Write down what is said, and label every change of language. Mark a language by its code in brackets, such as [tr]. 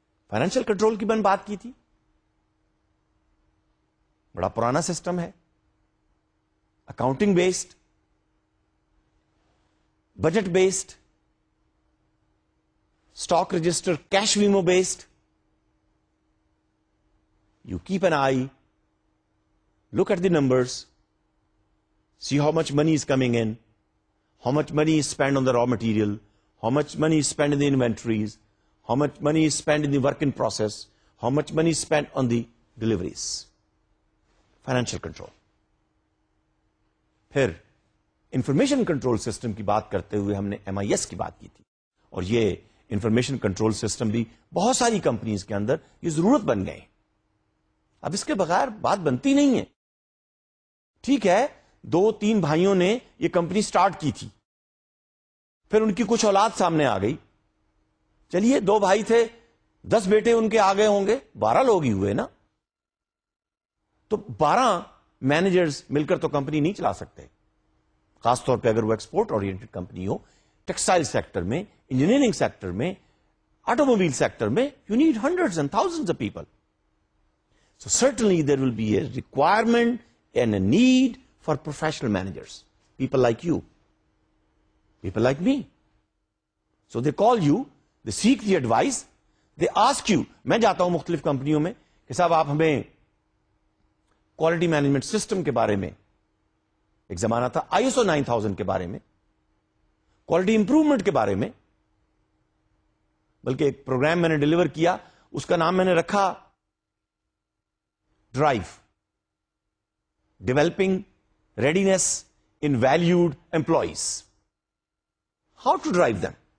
[ur] Financial control کی میں بات کی تھی, بڑا پرانا سسٹم ہے, accounting based, budget based, stock register cash ویمو based. [en] You keep an eye, look at the numbers, see how much money is coming in, how much money is spend on the raw material, how much money is spend in the inventories, how much money is spend in the work in process, how much money is spend on the deliveries. Financial control. [ur] پھر information control system کی بات کرتے ہوئے ہم نے M I S کی بات کی تھی, اور یہ انفارمیشن کنٹرول سسٹم بھی بہت ساری کمپنیز کے اندر یہ ضرورت بن گئے. اب اس کے بغیر بات بنتی نہیں ہے. ٹھیک ہے, دو تین بھائیوں نے یہ کمپنی اسٹارٹ کی تھی, پھر ان کی کچھ اولاد سامنے آ گئی. چلیے, دو بھائی تھے, دس بیٹے ان کے آگے ہوں گے, 12 لوگ ہی ہوئے نا, تو 12 مینیجرز مل کر تو کمپنی نہیں چلا سکتے, خاص طور پہ اگر وہ ایکسپورٹ اورینٹڈ کمپنی ہو, ٹیکسٹائل سیکٹر میں, انجینئرنگ سیکٹر میں, آٹوموبائل سیکٹر میں, [en] You need hundred and thousand of people. So certainly there will be a requirement and a need for professional managers, people like you, people like me. So they call you, they seek the advice, they ask you. [ur] میں جاتا ہوں مختلف کمپنیوں میں کہ صاحب آپ ہمیں کوالٹی مینجمنٹ سسٹم کے بارے میں, ایک زمانہ تھا ISO 9000 کے بارے میں, کوالٹی امپروومنٹ کے بارے میں, بلکہ ایک پروگرام میں نے ڈلیور کیا, اس کا نام میں نے رکھا drive, [en] Developing readiness in valued employees, how to drive them.